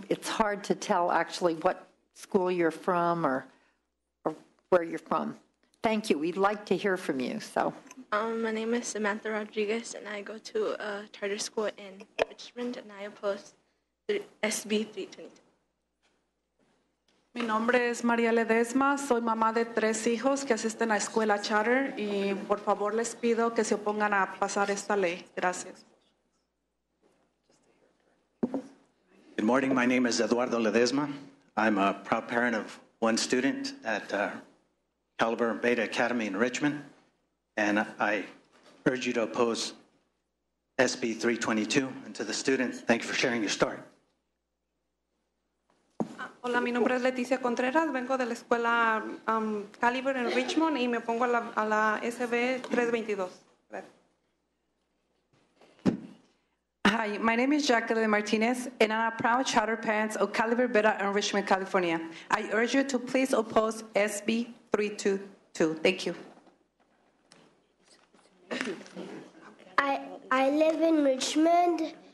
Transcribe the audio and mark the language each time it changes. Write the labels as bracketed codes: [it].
[en] It's hard to tell actually what school you're from or where you're from. Thank you. We'd like to hear from you. So, My name is Samantha Rodriguez, and I go to a charter school in Richmond, and I oppose SB 322. [es] Mi nombre es María Ledesma, soy mamá de tres hijos que asisten a escuela charter y por favor les pido que se opongan a pasar esta ley. Gracias. [en] Good morning, my name is Eduardo Ledesma. I'm a proud parent of one student at Caliber Beta Academy in Richmond, and I urge you to oppose SB 322. And to the students, thank you for sharing your story. [es] Hola, mi nombre es Leticia Contreras, vengo de la escuela Caliber en Richmond y me opongo a la SB 322. Gracias. [en] Hi, my name is Jacqueline Martinez and I'm a proud charter parent of Caliber Beta in Richmond, California. I urge you to please oppose SB 322. Thank you. I live in Richmond.